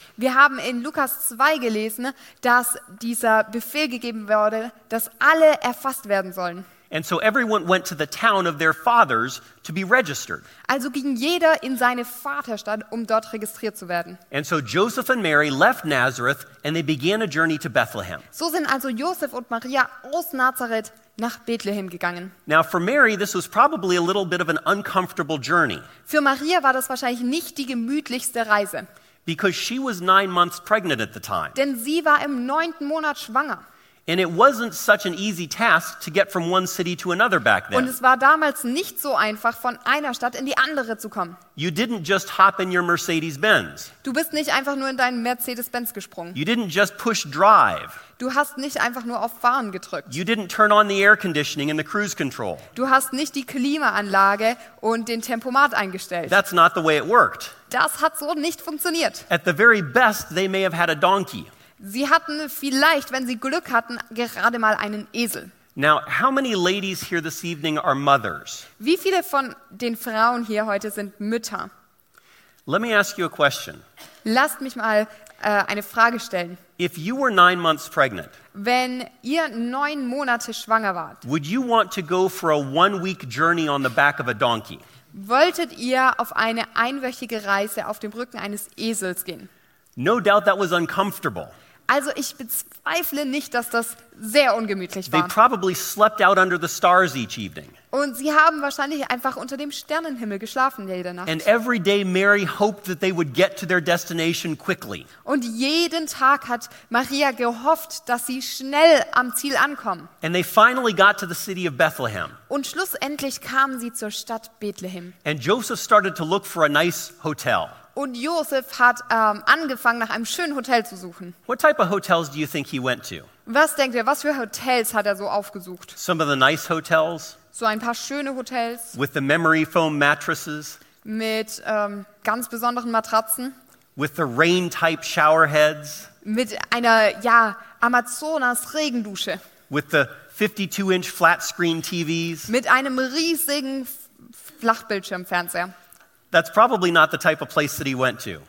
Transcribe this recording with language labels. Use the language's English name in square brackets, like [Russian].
[German] Wir haben in Lukas 2 gelesen, dass dieser Befehl gegeben wurde, dass alle erfasst werden sollen. [English] And so everyone went to the town of their fathers to be registered. [German] Also ging jeder in seine Vaterstadt, um dort registriert zu werden. [English] And so Joseph and Mary left Nazareth and they began a journey to Bethlehem. [German] So sind also Josef und Maria aus Nazareth nach Bethlehem gegangen. [English] Now for Mary this was probably a little bit of an uncomfortable journey. [German] Für Maria war das wahrscheinlich nicht die gemütlichste Reise. [English] Because she was 9 months pregnant at the time. [German] Denn sie war im 9. Monat schwanger. [English] And it wasn't such an easy task to get from one city to another back then. [German] Und es war damals nicht so einfach, von einer Stadt in die andere zu kommen. [English] You didn't just hop in your Mercedes-Benz. [German] Du bist nicht einfach nur in deinen Mercedes-Benz gesprungen. [English] You didn't just push drive. [German] Du hast nicht einfach nur auf Fahren gedrückt. [English] You didn't turn on the air conditioning and the cruise control. [German] Du hast nicht die Klimaanlage und den Tempomat eingestellt. [English] That's not the way it worked. [German] Das hat so nicht funktioniert. [English] At the very best, they may have had a donkey. [German] Sie hatten vielleicht, wenn sie Glück hatten, gerade mal einen Esel. [English] Now, how many ladies here this evening are mothers? [German] Wie viele von den Frauen hier heute sind Mütter? [English] Let me ask you a question. [German] Lasst mich mal eine Frage stellen. [English] If you were 9 months pregnant, [German] wenn ihr 9 Monate schwanger wart, [English] would you want to go for a 1 week journey on the back of a donkey? [German] Wolltet ihr auf eine einwöchige Reise auf dem Rücken eines Esels gehen? [English] No doubt that was uncomfortable. [German] Also ich bezweifle nicht, dass das sehr ungemütlich war. [English] They probably slept out under the stars each evening. [German] Und sie haben wahrscheinlich einfach unter dem Sternenhimmel geschlafen jede Nacht. [English] And every day Mary hoped that they would get to their destination quickly. [German] Und jeden Tag hat Maria gehofft, dass sie schnell am Ziel ankommen. [English] And they finally got to the city of Bethlehem. [German] Und schlussendlich kamen sie zur Stadt Bethlehem. [English] And Joseph started to look for a nice hotel. [German] Und Josef hat angefangen, nach einem schönen Hotel zu suchen. [English] What type of hotels do you think he went to? [German] Was denkt ihr, was für Hotels hat er so aufgesucht? [English] Some of the nice hotels. [German] So ein paar schöne Hotels. [English] With the memory foam mattresses. [German] Mit ganz besonderen Matratzen. [English] With the rain-type showerheads. [German] Mit einer, ja, Amazonas-Regendusche. [English] With the 52-inch flat-screen TVs. [German] Mit einem riesigen Flachbildschirmfernseher. [English] That's probably not the type of place that he went to.